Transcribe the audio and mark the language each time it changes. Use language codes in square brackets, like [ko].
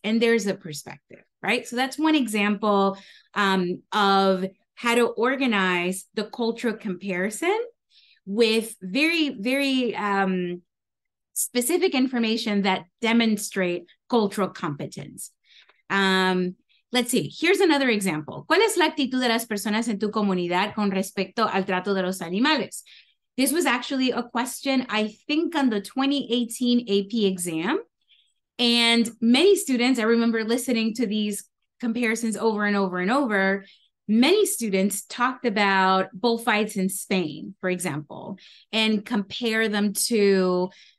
[en] And there's a perspective, right? So that's one example of how to organize the cultural comparison with very, very specific information that demonstrate cultural competence. Let's see, here's another example. [es] ¿Cuál es la actitud de las personas en tu comunidad con respecto al trato de los animales? [en] This was actually a question, I think, on the 2018 AP exam. And many students, I remember listening to these comparisons over and over and over, many students talked about bullfights in Spain, for example, and compare them to